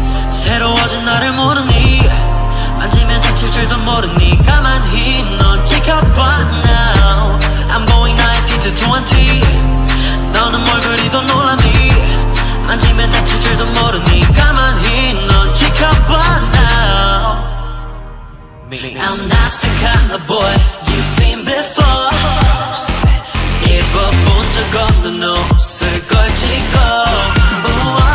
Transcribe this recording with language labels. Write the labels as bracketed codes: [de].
[ko] 새로워진 너를 모르니 만지면 다칠 줄도 모르니 가만히 넌 지켜봐 now. [en] I'm going 19 to 20. [ko] 너는 뭘 그리도 놀라니 만지면 다칠 줄도 모르니 가만히 넌 지켜봐 now. [en] I'm not the kind of boy you've seen before. [ko] 입어본 적 없는 옷을 걸치고